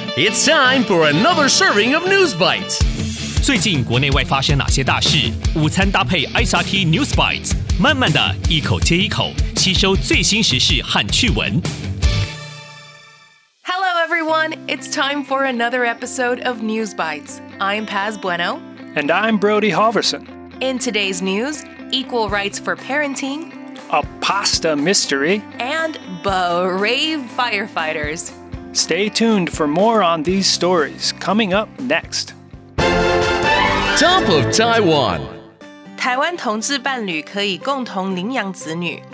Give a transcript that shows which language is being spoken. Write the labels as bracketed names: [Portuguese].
[English] It's time for another serving of News Bites. [Chinese] 最近国内外发生哪些大事？午餐搭配 SRT News Bites， 慢慢的一口接一口，吸收最新时事和趣闻。 [English] Hello everyone, it's time for another episode of News Bites. I'm Paz Bueno. And I'm Brody Halverson. In today's news, equal rights for parenting... A pasta mystery. And brave firefighters. Stay tuned for more on these stories coming up next. Top of Taiwan. [Chinese] 台湾同志伴侣可以共同领养子女。